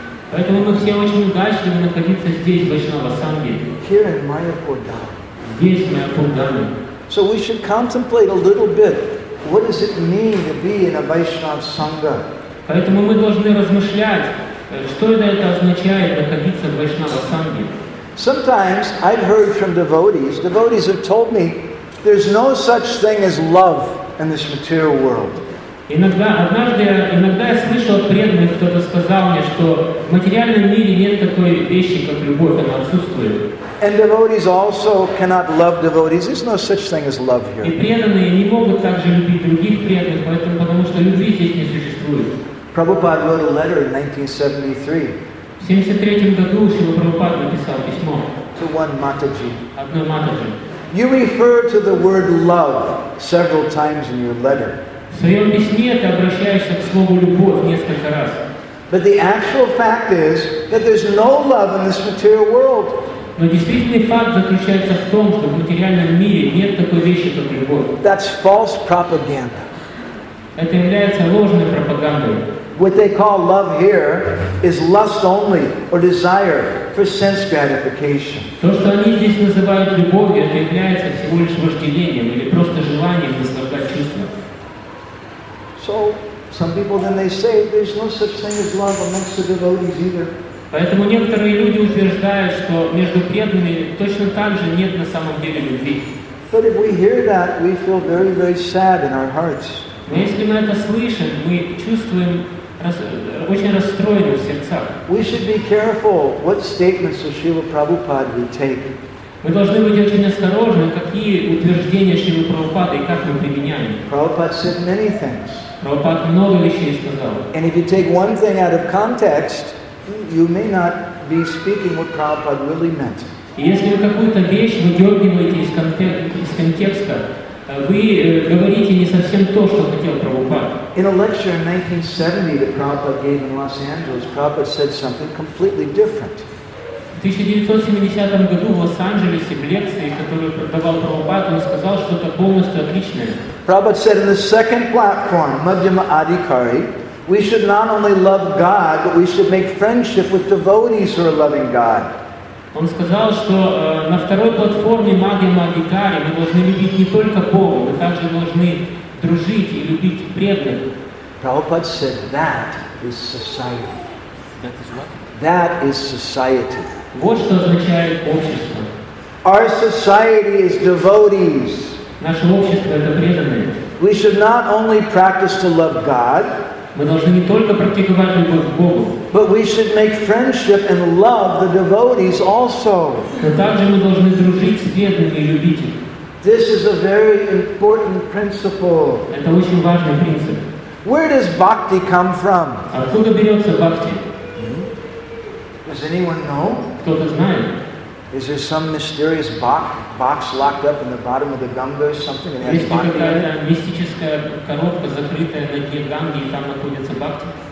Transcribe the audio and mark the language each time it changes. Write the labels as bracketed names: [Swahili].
[Russian] Поэтому мы все очень удачливы находиться здесь, в Вайшнава Санге. [English] Here in Mayapur Dham. [Russian] Здесь, Mayapur Dham. [English] So we should contemplate a little bit, what does it mean to be in a Vaishnava Sangha? [Russian] Поэтому мы должны размышлять, что это означает находиться в Вайшнава Санге. [English] Sometimes I've heard from devotees. Devotees have told me, there's no such thing as love in this material world. [Russian] Иногда я слышал от преданных, кто-то сказал мне, что в материальном мире нет такой вещи, как любовь, она отсутствует. [English] And devotees also cannot love devotees. There's no such thing as love here. [Russian] И преданные не могут также любить других преданных, потому что любви здесь не существует. [English] Prabhupada wrote a letter in 1973. [Russian] В 73 году Шрила Прабхупада написал письмо. [English] To one Mataji. [Russian] Одной Матаджи. [English] You refer to the word love several times in your letter. [Russian] В своем письме ты обращаешься к слову «любовь» несколько раз. [English] But the actual fact is that there's no love in this material world. [Russian] Но действительный факт заключается в том, что в материальном мире нет такой вещи, как любовь. [English] That's false propaganda. [Russian] Это является ложной пропагандой. [English] What they call love here is lust only, or desire for sense gratification. [Russian] То, что они здесь называют любовью, это является всего лишь вожделением или просто желанием наслаждать чувством. [English] So some people then they say there's no such thing as love amongst the devotees either. [Russian] Поэтому некоторые люди утверждают, что между преданными точно так же нет на самом деле любви. [English] But if we hear that, we feel very, very sad in our hearts. [Russian] Но если мы это слышим, мы чувствуем очень расстроены в сердцах. [English] We should be careful what statements of Srila Prabhupada we take. [Russian] Мы должны быть очень осторожны, какие утверждения Шрилы Прабхупады и как мы применяем. [English] Prabhupada said many things. [Russian] Прабхупада много вещей сказал. [English] And if you take one thing out of context, you may not be speaking what Prabhupada really meant. [Russian] Если вы какую-то вещь выдергиваете из контекста, вы говорите не совсем то, что хотел Прабхупада. [English] In a lecture in 1970 that Prabhupada gave in Los Angeles, Prabhupada said something completely different. [Russian] В 1970 году в Лос-Анджелесе в лекции, которую давал Прабхупада, он сказал что-то полностью отличное. [English] Prabhupada said in the second platform, Madhyama Adhikari, we should not only love God, but we should make friendship with devotees who are loving God. [Russian] Он сказал, что на второй платформе Madhyama Adhikari мы должны любить не только Бога, мы также должны дружить и любить преданных. [English] Prabhupada said that is society. That is what? That is society. [Russian] Вот что означает общество. [English] Our society is devotees. [Russian] Наше общество это преданные. [English] We should not only practice to love God. [Russian] Мы должны не только практиковать любовь к Богу. [English] But we should make friendship and love the devotees also. [Russian] Но также мы должны дружить с преданными и любить их. [English] This is a very important principle. [Russian] Это очень важный принцип. [English] Where does bhakti come from? [Russian] Откуда берется бхакти? [English] Does anyone know? [Russian] Кто-то знает. [English] Is there some mysterious box locked up in the bottom of the Ganga or something? [Russian] Есть какая-то мистическая коробка, закрытая на дне Ганги, и там находится бхакти?